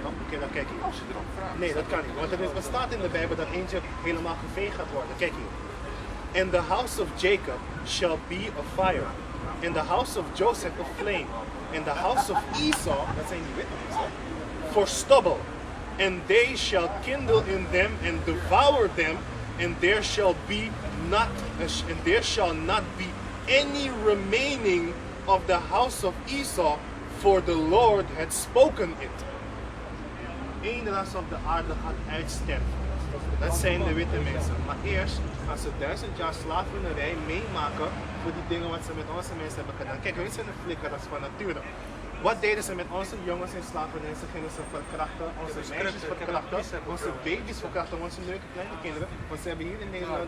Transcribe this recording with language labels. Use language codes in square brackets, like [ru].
[en] No? [nl] Oké, dan kijk hier. Als je erop vraagt. Nee, dat kan niet. Want er bestaat in de Bijbel dat eentje helemaal geveegd gaat worden. Kijk hier. [en] And the house of Jacob shall be a fire. And the house of Joseph a flame. And the house of Esau, [nl] dat zijn die witte mensen, [en] for stubble. And they shall kindle in them and devour them. And there shall not be any remaining of the house of Esau, for the Lord had spoken it. [nl] Eén ras op de aarde gaat uitsterven. Dat zijn de witte mensen. Maar eerst gaan ze 1000 jaar slavernij meemaken voor die dingen wat ze met onze mensen hebben gedaan. Kijk, we zijn een flikker, dat is van nature. Wat deden ze met onze jongens in slavernij? Ze gingen ze verkrachten, onze meisjes verkrachten, onze baby's verkrachten, onze leuke kleine kinderen. Want ze hebben hier in Nederland.